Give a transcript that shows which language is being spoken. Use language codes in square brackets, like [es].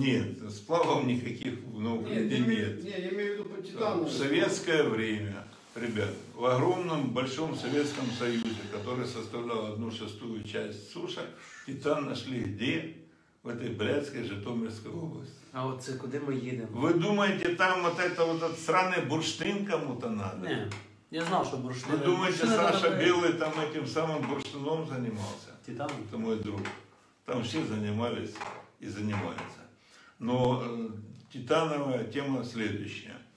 [ru] Нет, сплавов никаких на Украине нет. Я имею в виду по титану. В советское время, ребят, в огромном большом Советском Союзе, который составлял 1/6 часть суши, титан нашли где? В этой блядской Житомирской области. [uk] А вот це куди ми їдемо? Ви думаєте, там от це от сраний бурштин кому-то надо? Ні, я знав, що бурштин. Ви думаєте, Саша Білий там тим самим бурштином займався? Титан? Це мій друг. Там всі займалися і займаються. [ru] Но титанова тема следующая.